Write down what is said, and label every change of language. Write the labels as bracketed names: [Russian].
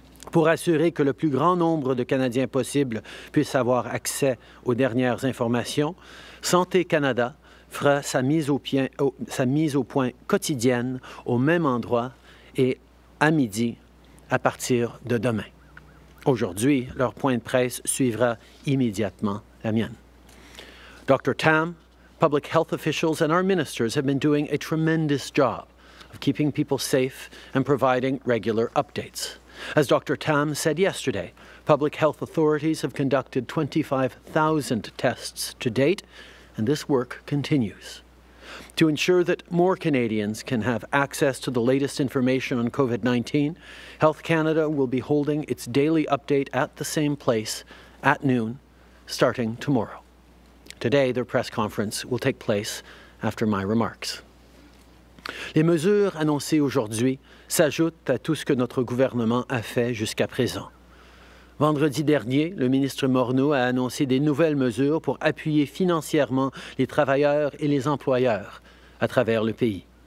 [French] Pour assurer que le plus grand nombre de Canadiens possible puissent avoir accès aux dernières informations, Santé Canada fera sa mise au point quotidienne au même endroit et à midi à partir de demain. Aujourd'hui, leur point de presse suivra immédiatement la mienne. [English] Dr. Tam, public health officials, and our ministers have been doing a tremendous job of keeping people safe and providing regular updates. As Dr. Tam said yesterday, public health authorities have conducted 25,000 tests to date, and this work continues. To ensure that more Canadians can have access to the latest information on COVID-19, Health Canada will be holding its daily update at the same place at noon, starting tomorrow. Today, their press conference will take place after my remarks. [French] Les mesures annoncées aujourd'hui s'ajoutent à tout ce que notre gouvernement a fait jusqu'à présent. Vendredi dernier, le ministre Morneau a annoncé des nouvelles mesures pour appuyer financièrement les travailleurs et les employeurs à travers le pays.